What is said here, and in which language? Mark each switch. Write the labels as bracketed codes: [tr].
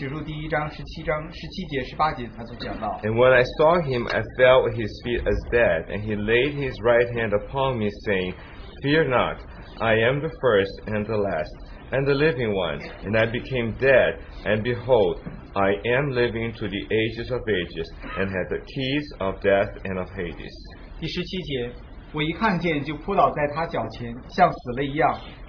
[zh] 他就说在启示录第一章十七节十八节他就讲到。 [en] And when I saw him, I fell at his feet as dead, and he laid his right hand upon me, saying, Fear not, I am the first and the last, and the living one. And I became dead, and behold, I am living to the ages of ages, and have the keys of death and of Hades. [zh] 第十七节, 我一看见就扑倒在他脚前，像死了一样。